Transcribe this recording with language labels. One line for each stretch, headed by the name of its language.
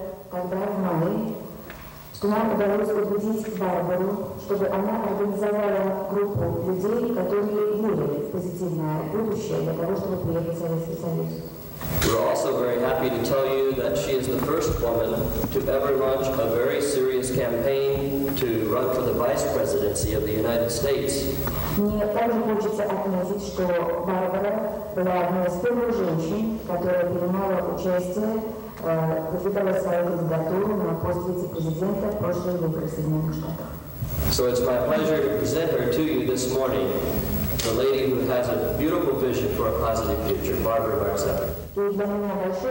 Russian: Тогда в мае, что нам удалось убедить Барбару, чтобы она организовала группу людей, которые верили в позитивное будущее для того, чтобы приехать в Советский Союз.
English: We're also very happy to tell you that she is the first woman to ever launch a very serious campaign to run for the vice presidency of the United States.
Russian: Мне также хочется отметить, что Барбара была одной из первых женщин, которая принимала участие
English: So it's my pleasure to present her to you this morning, the lady who has a beautiful vision for a positive future, Barbara Barzeva.